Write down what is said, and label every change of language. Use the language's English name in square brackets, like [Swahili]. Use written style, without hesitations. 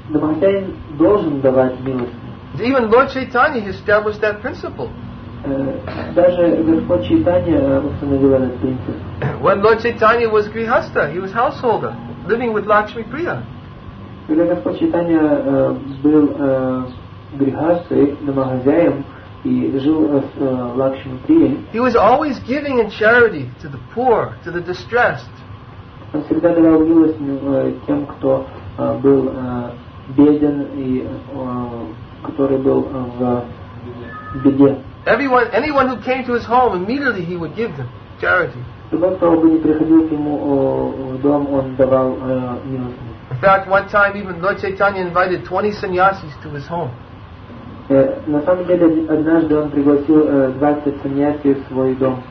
[Russian] Домохозяин должен давать милость. [English] Even Lord Chaitanya established that principle. [Russian] Даже Господь Чайтанья установил этот принцип. [English] When Lord Chaitanya was Grihastha, he was householder, living with Lakshmi Priya. [Russian] Когда Господь Чайтанья был грихастой, домохозяем и жил с Лакшми Прией, [English] he was always giving in charity to the poor, to the distressed. [Russian] Он всегда давал милость тем, кто был беден и который был в беде. [English] Anyone who came to his home, immediately he would give them charity. [Russian] Любой, кто бы не приходил к нему в дом, он давал милость. [English] In fact, one time even Lord Chaitanya invited 20 sannyasis to his home. [Russian] На самом деле, однажды он пригласил 20 sannyasis в свой дом.